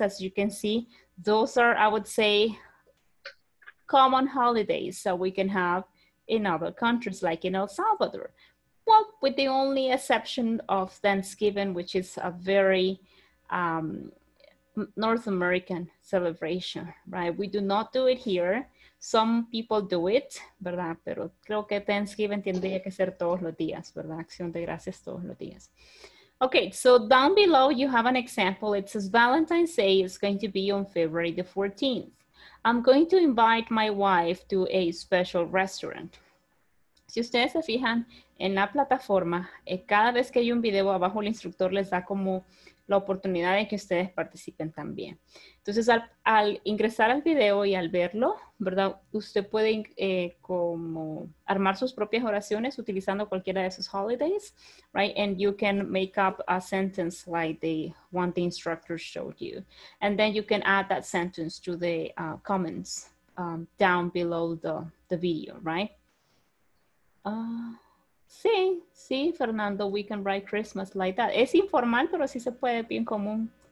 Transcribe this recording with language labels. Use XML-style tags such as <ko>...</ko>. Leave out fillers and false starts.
<en>As you can see, those are, I would say, common holidays that we can have in other countries, like in El Salvador. Well, with the only exception of Thanksgiving, which is a very North American celebration, right? We do not do it here. Some people do it, ¿verdad?</en> <es>Pero creo que Thanksgiving tendría que ser todos los días, ¿verdad? Acción de gracias todos los días.</es> <en>Okay, so down below you have an example. It says Valentine's Day is going to be on February the 14th. I'm going to invite my wife to a special restaurant.</en> <es>Si ustedes se fijan en la plataforma, cada vez que hay un video abajo, el instructor les da como la oportunidad de que ustedes participen también. Entonces, al ingresar al video y al verlo, ¿verdad? Usted puede como armar sus propias oraciones utilizando cualquiera de esos holidays, right?</es> <en>And you can make up a sentence like the one the instructor showed you. And then you can add that sentence to the comments down below the video, right? Sí, Fernando, we can write Christmas like that.</en> <es>Es informal, pero sí se puede, bien común.</es>